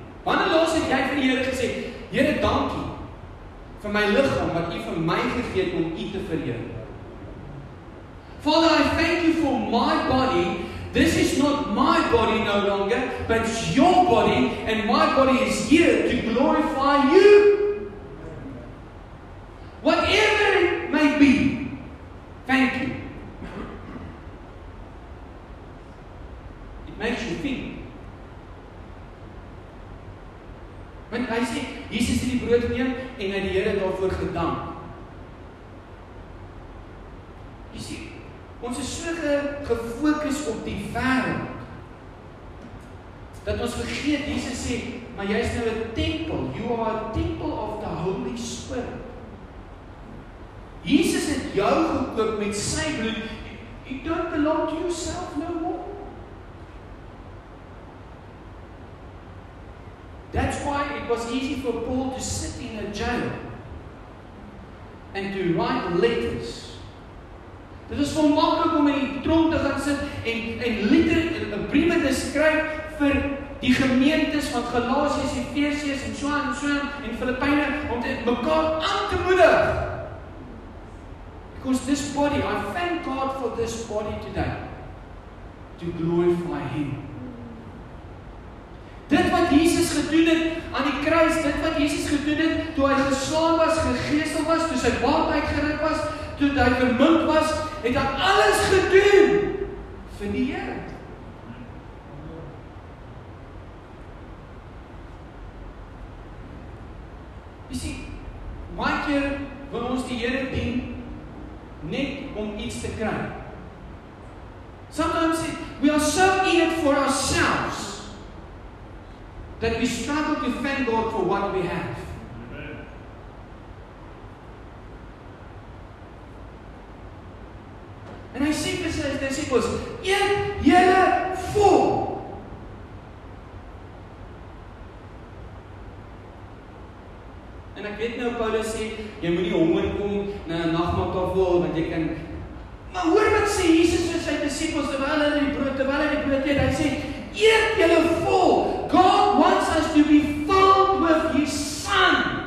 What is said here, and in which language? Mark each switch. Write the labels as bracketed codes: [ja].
[af] Wanneer laas het jy vir die Here gesê, Here, dankie vir my liggaam, wat u vir my gegee het om u te vereer. [en] Father, I thank you for my body. This is not my body no longer, but it's your body, and my body is here to glorify you. Whatever it may be, thank you. It makes you think. When I say, [af] Jesus het die brood geneem, en hy die Here daarvoor gedank. Ons is so gefokus op die wêreld. Dat ons vergeet, Jesus sê, maar jy is nou 'n tempel. [en] You are a temple of the Holy Spirit. [af] Jesus het jou gekoop met sy bloed. [en] You don't belong to yourself no more. That's why it was easy for Paul to sit in a jail and to write letters. [af] Dit is vir maklik om in die tronk te gaan sit en letter en 'n brief te skryf vir die gemeentes van Galasië, Efesië en so aan so en Filippyne om te mekaar aan te moedig. [en] Because this body, I thank God for this body today to glorify Him. [af] Dit wat Jesus gedoen het aan die kruis, dit wat Jesus gedoen het toe hy geslaan was, gegeesel was, toe sy baard uitgeruk was, toe hy vermink was, het hy alles gedoen vir die Here. Jy sien, baie keer wil ons die Here dien net om iets te kry. [en] Sometimes we are so in it for ourselves that we struggle to thank God for what we have. Amen. And I see this as the disciples, [af] eet julle vol. En ek weet nou, Paulus sê, jy moet nie honger kom na een nagmaaltafel, want jy kan, maar hoor wat sê Jesus vir sy disciples, terwijl hy die brood eet, hy sê, eet julle vol. [en] God wants us to be filled with His Son.